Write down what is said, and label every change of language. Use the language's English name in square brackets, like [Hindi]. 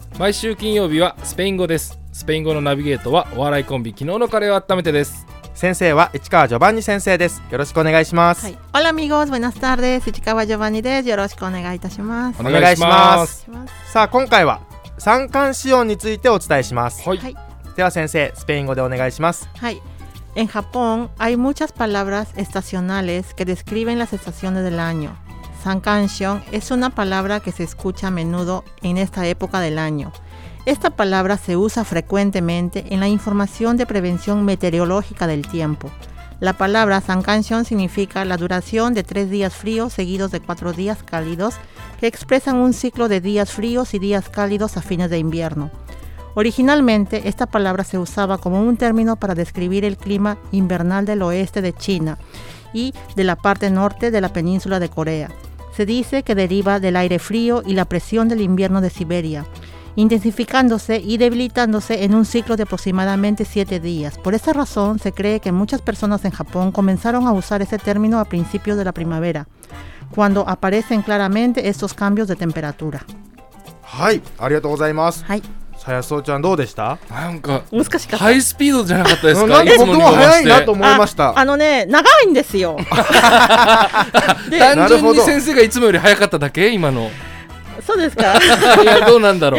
[Japanese] 毎週金曜日はスペイン語です。スペイン語のナビゲートはお笑いコンビ昨日のカレーを温めてです。先生は市川ジョバンニ先生です。よろしくお願いします。オラミゴーズ、ブナスタールです。市川ジョバンニです。よろしくお願いいたします。お願いします。さあ今回は三寒四温についてお伝えします。はい、では先生スペイン語でお願いします。はい。 [Spanish] En Japón hay muchas palabras estacionales que describen las estaciones del año. Sankanshion es una palabra que se escucha a menudo en esta época del año. Esta palabra se usa frecuentemente en la información de prevención meteorológica del tiempo. La palabra Sankanshion significa la duración de tres días fríos seguidos de cuatro días cálidos que expresan un ciclo de días fríos y días cálidos a fines de invierno. Originalmente, esta palabra se usaba como un término para describir el clima invernal del oeste de China y de la parte norte de la península de Corea. Se dice que deriva del aire frío y la presión del invierno de Siberia, intensificándose y debilitándose en un ciclo de aproximadamente 7 días. Por esta razón, se cree que muchas personas en Japón comenzaron a usar ese término a principios de la primavera, cuando aparecen claramente estos cambios de temperatura. [Japanese] ¡Hai! ¡Arigato gozaimasu! ¡Hai! さやそうちゃんどうでした？なんか難しかった。ハイスピードじゃなかったですか？なんか僕も早いなと思いました。あのね長いんですよで単純に先生がいつもより早かっただけ今の。そうですかいやどうなんだろう。